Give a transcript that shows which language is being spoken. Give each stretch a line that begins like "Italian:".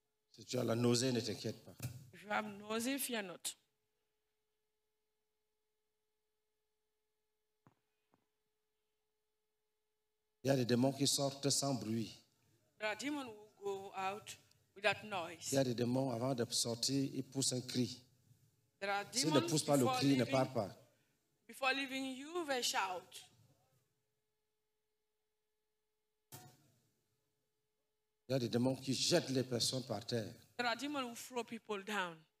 French: Si tu as la nausée, ne t'inquiète pas.
English: Je vais nausée, fear not.
French: Il y a des démons qui sortent sans bruit.
English: There are demons who go out without noise.
French: Il y a des démons avant de sortir, ils poussent un cri.
English: There are demons.
French: S'ils ne poussent pas le cri, ils ne partent pas.
English: Before leaving you, they shout.
French: Il y a des démons qui jettent les personnes par terre.
English: There are demons who throw people down.